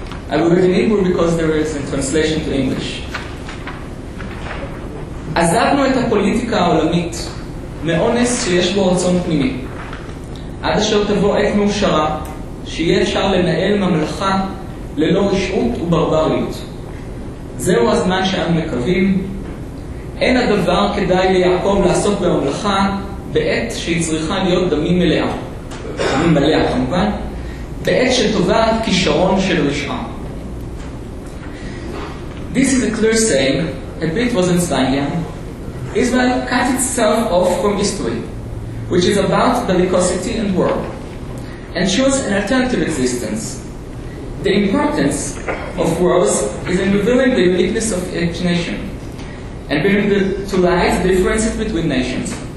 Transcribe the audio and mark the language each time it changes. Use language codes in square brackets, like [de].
[en] I will read in Hebrew because there is a translation to English. [he] עזבנו את הפוליטיקה העולמית מאונס שיש בו רצון פנימי עד אשר תבוא עת מאושרה שיהיה אפשר לנהל ממלכה ללא רשעות וברבריות. זהו הזמן שאנו מקווים. אין הדבר כדאי ליעקב לעסוק בממלכה בעת שהיא צריכה להיות דמים מלאה. דמים מלאה כמובן. בעת שתובעת כישרון של רשעה. [en] This is a clear saying, a bit Rosensteinian. Israel cut itself off from history, which is about bellicosity and war, and chose an alternative existence. The importance of wars is in revealing the uniqueness of each nation, and bringing to light the differences between nations.